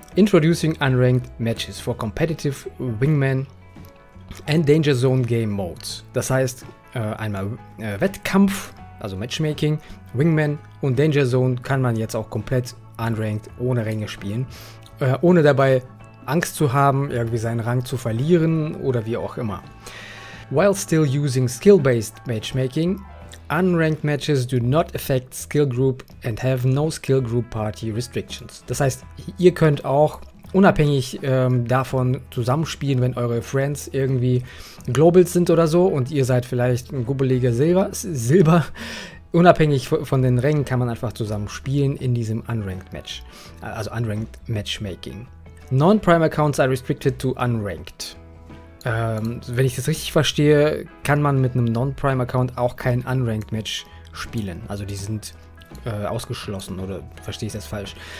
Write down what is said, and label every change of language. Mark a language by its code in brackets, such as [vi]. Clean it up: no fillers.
[en] Introducing Unranked Matches for Competitive Wingman and Danger Zone Game Modes. [de] Das heißt, einmal Wettkampf, also Matchmaking, Wingman und Danger Zone kann man jetzt auch komplett unranked ohne Ränge spielen, ohne dabei Angst zu haben, irgendwie seinen Rang zu verlieren oder wie auch immer. [en] While still using skill-based matchmaking, unranked matches do not affect skill group and have no skill group party restrictions. [de] Das heißt, ihr könnt auch unabhängig davon zusammenspielen, wenn eure Friends irgendwie Globals sind oder so und ihr seid vielleicht ein gubbeliger Silber. Unabhängig von den Rängen kann man einfach zusammen spielen in diesem unranked Match, also unranked Matchmaking. [en] Non-Prime Accounts are restricted to unranked. [de] Wenn ich das richtig verstehe, kann man mit einem Non-Prime Account auch kein unranked Match spielen. Also die sind ausgeschlossen, oder verstehe ich das falsch?